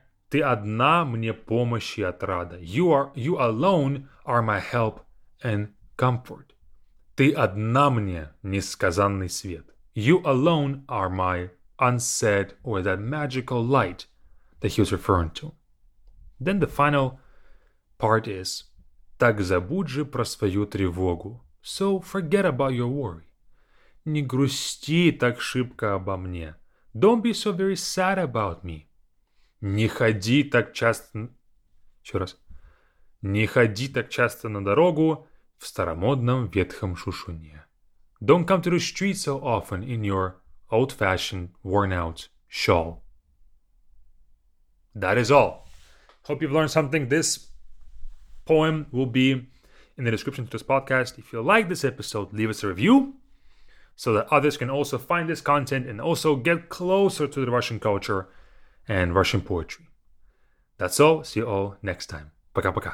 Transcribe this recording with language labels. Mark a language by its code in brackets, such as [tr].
[ru] Ты одна мне помощь и отрада. [en] You alone are my help and comfort. [ru] Ты одна мне несказанный свет. [en] You alone are my unsaid or that magical light that he was referring to. Then the final part is, [ru] так забудь же про свою тревогу. [en] So forget about your worry. [ru] Не грусти так шибко обо мне. [en] Don't be so very sad about me. [ru] Не ходи так часто... Еще раз. Не ходи так часто на дорогу в старомодном ветхом шушуне. [en] Don't come to the street so often in your old-fashioned, worn-out shawl. That is all. Hope you've learned something. This poem will be in the description to this podcast. If you like this episode, leave us a review so that others can also find this content and also get closer to the Russian culture and Russian poetry. That's all. See you all next time. [ru] Пока-пока.